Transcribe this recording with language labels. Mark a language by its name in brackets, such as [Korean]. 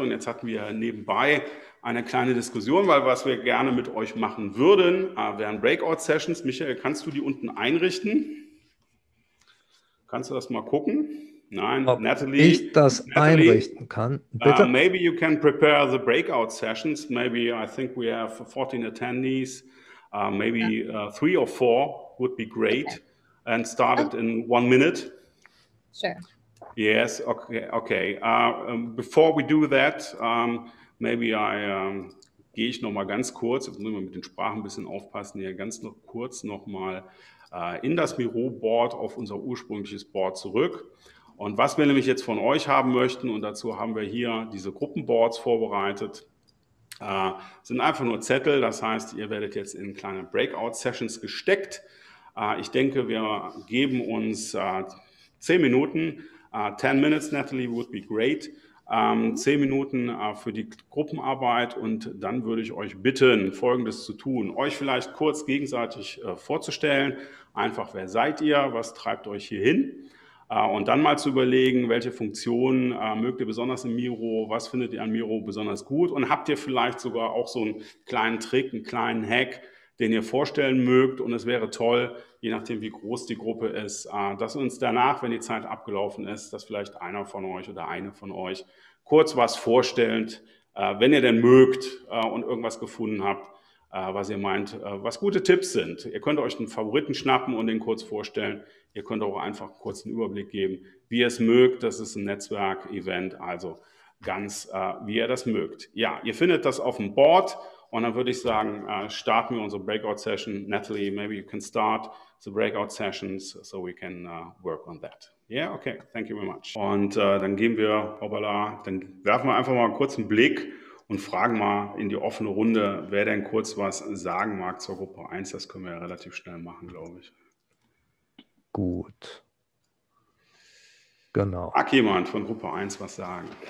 [German] Und jetzt hatten wir nebenbei eine kleine Diskussion, weil was wir gerne mit euch machen würden, wären Breakout-Sessions. Michael, kannst du die unten einrichten? Kannst du das mal gucken? Nein, ob Natalie. Ich das Natalie, einrichten kann. [English] Bitte? Maybe you can prepare the breakout sessions. Maybe I think we have 14 attendees. Maybe ja. 3 or 4 would be great. Okay. And start it in 1 minute. Sure. Yes, okay. Before we do that, maybe I [German] gehe ich nochmal ganz kurz, jetzt müssen wir mit den Sprachen ein bisschen aufpassen, hier ganz noch kurz nochmal in das Miro-Board, auf unser ursprüngliches Board zurück. Und was wir nämlich jetzt von euch haben möchten, und dazu haben wir hier diese Gruppenboards vorbereitet, sind einfach nur Zettel. Das heißt, ihr werdet jetzt in kleine Breakout-Sessions gesteckt. Ich denke, wir geben uns 10 Minuten. [English] 10 minutes, Natalie, would be great. [German] 10 Minuten für die Gruppenarbeit und dann würde ich euch bitten, Folgendes zu tun. Euch vielleicht kurz gegenseitig vorzustellen, einfach wer seid ihr, was treibt euch hier hin und dann mal zu überlegen, welche Funktionen mögt ihr besonders in Miro, was findet ihr an Miro besonders gut und habt ihr vielleicht sogar auch so einen kleinen Trick, einen kleinen Hack, den ihr vorstellen mögt und es wäre toll, je nachdem wie groß die Gruppe ist, dass uns danach, wenn die Zeit abgelaufen ist, dass vielleicht einer von euch oder eine von euch kurz was vorstellend, wenn ihr denn mögt und irgendwas gefunden habt, was ihr meint, was gute Tipps sind. Ihr könnt euch einen Favoriten schnappen und den kurz vorstellen. Ihr könnt auch einfach kurz einen Überblick geben, wie ihr es mögt. Das ist ein Netzwerk-Event, also ganz wie ihr das mögt. Ja, ihr findet das auf dem Board. Und dann würde ich sagen, starten wir unsere Breakout Session. [English] Natalie, maybe you can start the Breakout Sessions, so we can work on that. Yeah, okay, thank you very much. [German] Und dann gehen wir, hoppala, dann werfen wir einfach mal einen kurzen Blick und fragen mal in die offene Runde, wer denn kurz was sagen mag zur Gruppe 1. Das können wir ja relativ schnell machen, glaube ich. Gut. Genau. Mag jemand von Gruppe 1 was sagen?